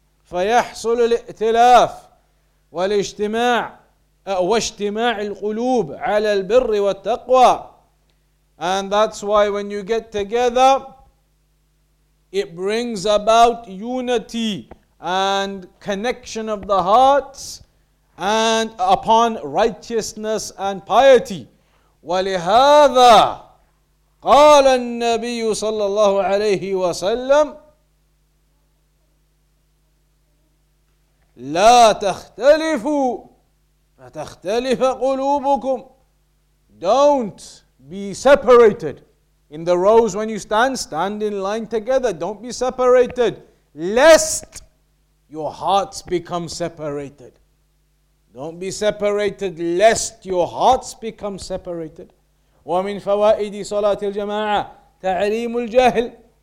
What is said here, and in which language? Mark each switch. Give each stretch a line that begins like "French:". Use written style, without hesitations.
Arabic: فَيَحْصُلُ الْإِئْتِلَافِ وَاجْتِمَاعِ الْقُلُوبِ عَلَى الْبِرِّ وَالتَّقْوَى.
English: And that's why when you get together, it brings about unity and connection of the hearts and upon righteousness and piety.
Arabic: ولهذا قال النبي صلى الله عليه وسلم لا تختلفوا فتختلف قلوبكم.
English: Don't be separated. In the rows when you stand, stand in line together. Don't be separated. Lest your hearts become separated. Don't be separated lest your hearts become separated.
Arabic: وَمِنْ فَوَائِدِ صَلَاةِ الْجَمَاعَةِ تَعْلِيمُ الْجَهْلِ.